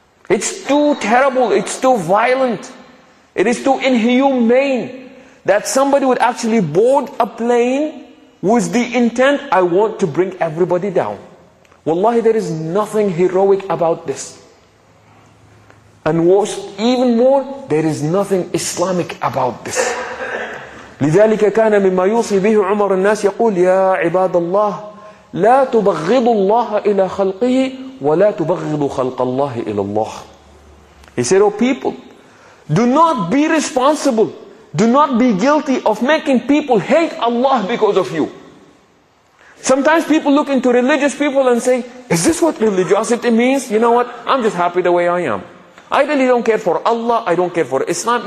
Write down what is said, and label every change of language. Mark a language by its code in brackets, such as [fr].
[en] It's too terrible. It's too violent. It is too inhumane that somebody would actually board a plane with the intent, I want to bring everybody down. Wallahi, there is nothing heroic about this. And worse, even more, there is nothing Islamic about this. [ar] لذلك كان مما يوصي به عمر الناس يقول يا عباد الله لا تبغضوا الله إلى خلقه ولا تبغضوا خلق الله إلى الله. [en] He said, oh people, do not be responsible, do not be guilty of making people hate Allah because of you. Sometimes people look into religious people and say, is this what religiosity means? You know what? I'm just happy the way I am. I really don't care for Allah, I don't care for Islam.